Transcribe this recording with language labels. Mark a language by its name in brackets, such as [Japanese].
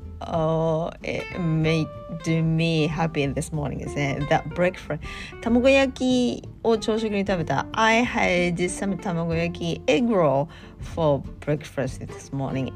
[English] It made me happy this morning, isn't it? That breakfast. [Japanese] 卵焼きを朝食に食べた。 [English] I had some 卵焼き egg roll for breakfast this morning.